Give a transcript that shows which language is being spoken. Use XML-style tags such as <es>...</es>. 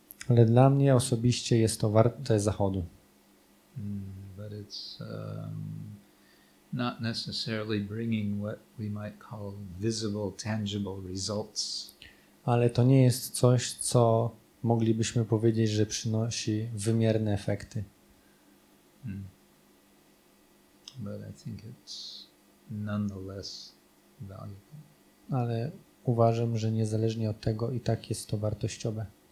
<pl>Ale dla mnie osobiście jest to warte zachodu.</pl> <en>But it's not necessarily bringing what we might call visible, tangible results.</en> <pl>Ale to nie jest coś, co moglibyśmy powiedzieć, że przynosi wymierne efekty.</pl> <en>But I think it's nonetheless valuable.</en> <pl>Ale uważam, że niezależnie od tego i tak jest to wartościowe.</pl>